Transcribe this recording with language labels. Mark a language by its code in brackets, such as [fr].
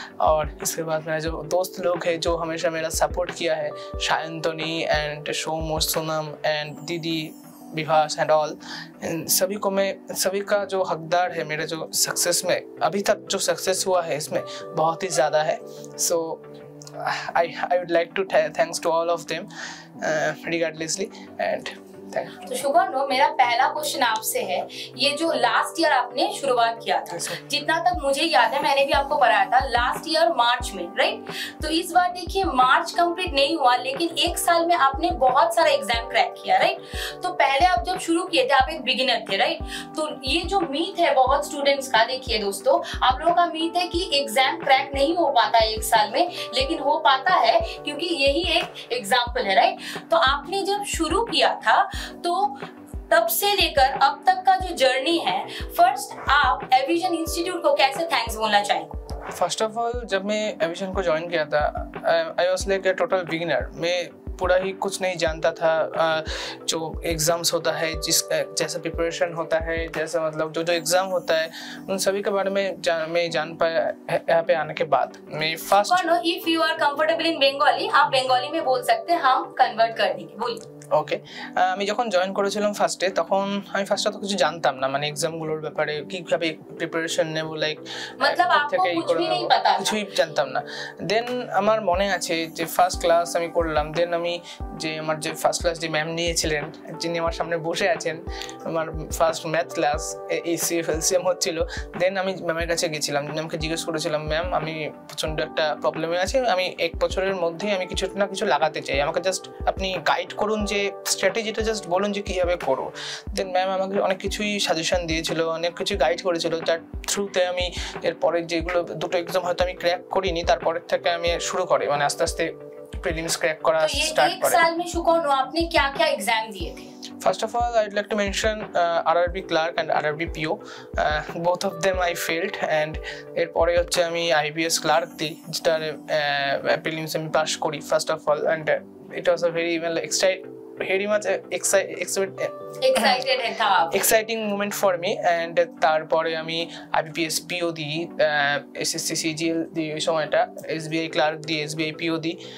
[hi] और इसके बाद मेरा जो दोस्त लोग है जो हमेशा मेरा सपोर्ट किया है, शायंतनी एंड सोमो, सोनम एंड दीदी, विभास एंड ऑल, सभी को मैं, सभी का जो हकदार है मेरे जो सक्सेस में, अभी तक जो सक्सेस हुआ है इसमें बहुत ही ज़्यादा है। सो [en] I would like to thanks to all of them regardlessly and thank you. [hi] तो शुगर नो, मेरा पहला क्वेश्चन आपसे है, ये जो लास्ट ईयर आपने शुरुआत किया था, जितना तक मुझे याद है मैंने भी आपको पढ़ाया था लास्ट ईयर मार्च में, राइट? तो इस बार देखिए मार्च कंप्लीट नहीं हुआ, लेकिन एक साल में आपने बहुत सारा एग्जाम क्रैक किया, राइट? तो पहले आप जब शुरू किए थे आप एक बिगिनर थे, राइट? तो ये जो मीथ है बहुत स्टूडेंट्स का, देखिए दोस्तों आप लोगों का मीथ है कि एग्जाम क्रैक नहीं हो पाता एक साल में, लेकिन हो पाता है क्योंकि यही एक एग्जाम्पल है, राइट? तो आपने जब शुरू किया था तो तब से लेकर अब तक का जो जर्नी है, फर्स्ट आप एविजन इंस्टीट्यूट को कैसे थैंक्स बोलना चाहेंगे? फर्स्ट ऑफ ऑल जब मैं एविजन को ज्वाइन किया था, [en] I was like a total beginner. [hi] मैं पूरा ही कुछ नहीं जानता था, जो एग्ज़ाम्स होता है, जिस जैसा प्रिपरेशन होता है, जैसा मतलब जो जो एग्ज़ाम होता है, उन सभी के बारे में मैं जान पाया यहाँ पे आने के बाद। मैं first, [en] if you are comfortable in Bengali, [hi] आप बंगाली में बोल सकते हैं, हम कन्वर्ट कर देंगे, बोलिए। [bn] ওকে, আমি যখন জয়েন করেছিলাম ফার্স্টে, তখন আমি ফার্স্টে তো কিছু জানতাম না, মানে এক্সামগুলোর ব্যাপারে কীভাবে প্রিপারেশন নেব, লাইক [hi] মতলব আপকো [bn] কিছুই জানতাম না। দেন আমার মনে আছে যে ফার্স্ট ক্লাস আমি করলাম, দেন আমি যে আমার যে ফার্স্ট ক্লাস যে ম্যাম নিয়েছিলেন, যিনি আমার সামনে বসে আছেন, আমার ফার্স্ট ম্যাথ ক্লাস ACFLCM হচ্ছিল। দেন আমি ম্যামের কাছে গেছিলাম, ম্যামকে জিজ্ঞেস করেছিলাম, ম্যাম আমি প্রচণ্ড একটা প্রবলেমে আছি, আমি এক বছরের মধ্যেই আমি কিছু না কিছু লাগাতে চাই, আমাকে জাস্ট আপনি গাইড করুন, যে স্ট্র্যাটেজিটা জাস্ট বলুন যে কীভাবে করো। দেন ম্যাম আমাকে অনেক কিছুই সাজেশন দিয়েছিল, অনেক কিছু গাইড করেছিল, যার থ্রুতে আমি এরপরে যেগুলো দুটো এক্সাম হয়তো আমি ক্র্যাক করিনি, তারপরের থেকে আমি শুরু করি, মানে আস্তে আস্তে প্রিলিমস ক্র্যাক করা স্টার্ট করি। তো এই সাল মে শুকনো আপনি কি কি এক্সাম দিয়েছেন? [en] First of all, I'd like to mention RRB clerk and RRB PO. Both of them I failed, and [bn] এরপরে হচ্ছে আমি IBS clerk দিই, যেটার prelims আমি পাশ করি [en] first of all, and it was a very well exciting moment for me, and [bn] তারপরে আমি IBPS PO দি, [en] SSC CGL দি, এই সময়টা SBI clerk দি, SBI PO দি,